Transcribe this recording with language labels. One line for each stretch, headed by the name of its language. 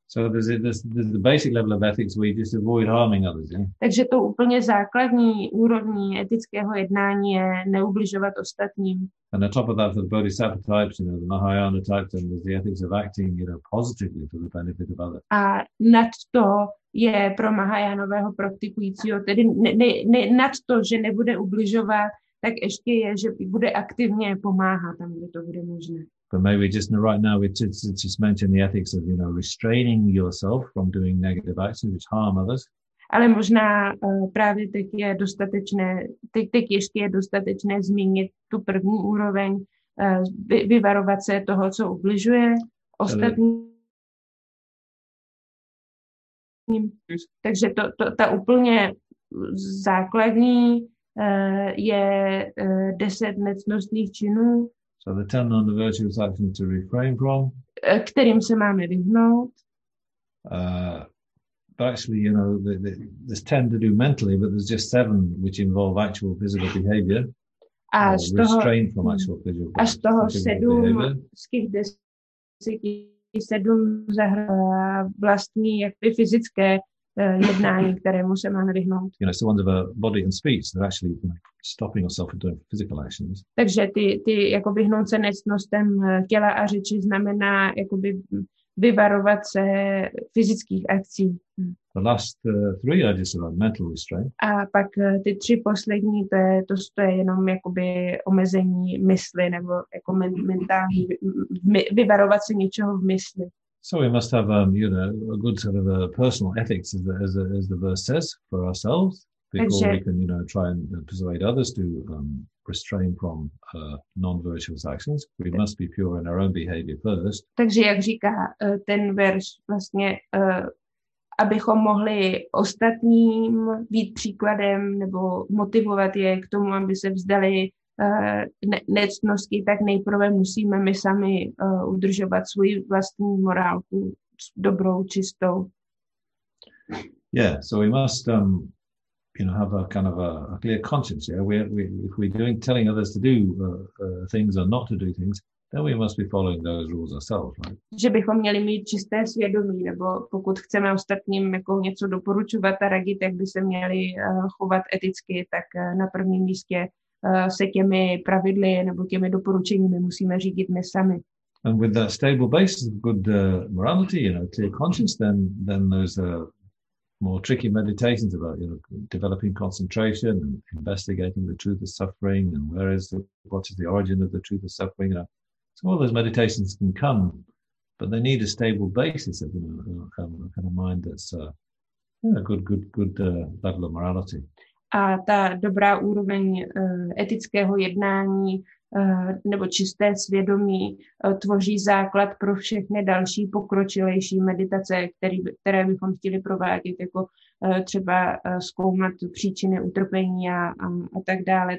English: So there's the basic level of ethics where you just avoid harming others, yeah?
Czech: Takže to úplně základní úrovní etického jednání je neubližovat ostatním.
English: And on top of that, for the Bodhisattva types, you know, the Mahayana types, and there's the ethics of acting, you know, positively for the benefit of others.
Czech: A nad to je pro Mahajánového praktikujícího, tedy nad to, že nebude ubližovat, tak ještě je, že bude aktivně pomáhat tam, kde to bude možné.
English: But maybe just right now we just mentioned the ethics of, you know, restraining yourself from doing negative actions which harm others.
Czech: Ale možná právě teď je dostatečné, teď ještě je dostatečné zmínit tu první úroveň, vyvarovat se toho, co ubližuje ostatní. Takže ta úplně základní je 10 necnostných činů,
English: so the 10 on the virtuous action to refrain from,
Czech: kterým se máme vyhnout.
English: Actually, you know, there's 10 to do mentally, but there's just 7 which involve actual physical behavior.
Czech: A z toho,
English: restrain from actual physical behavior.
Czech: A z toho 7 z těch 10 7 zahrá vlastní jakby fyzické jednání, kterému se máme vyhnout.
English: You know, so one's of a body and speech, they're actually stopping yourself from doing physical actions.
Czech: Takže ty jako vyhnout se necnostem těla a řeči znamená jakoby vyvarovat se fyzických akcí.
English: The last three are just about mental restraint.
Czech: A pak ty tři poslední, to je jenom jakoby omezení mysli nebo jako mentální, vyvarovat se něčeho v mysli.
English: So we must have you know, a good sort of a personal ethics, as the verse says, for ourselves, before
Czech: takže
English: we can, you know, try and persuade others to restrain from non-virtuous actions. We must be pure in our own behavior first.
Czech: Takže jak říká ten verš vlastně, abychom mohli ostatním být příkladem nebo motivovat je k tomu, aby se vzdali necnosti, tak nejprve musíme my sami udržovat svoji vlastní morálku dobrou, čistou.
English: Yeah, so we must you know, have a kind of a clear conscience. Yeah, we if we're doing telling others to do things or not to do things, then we must be following those rules ourselves, right?
Czech: Že bychom měli mít čisté svědomí, nebo pokud chceme ostatním jako něco doporučovat a radit, jak by se měli chovat eticky, tak na prvním místě se těmi pravidly nebo těmi doporučeními musíme řídit my sami.
English: And with that stable basis of good morality, you know, clear conscience, then those more tricky meditations about, you know, developing concentration and investigating the truth of suffering and what is the origin of the truth of suffering. You know. So all those meditations can come, but they need a stable basis of, you know, a kind of mind that's good level of morality.
Czech: A ta dobrá úroveň etického jednání nebo čisté svědomí tvoří základ pro všechny další pokročilejší meditace, které bychom chtěli provádět, jako třeba zkoumat příčiny utrpení a tak dále.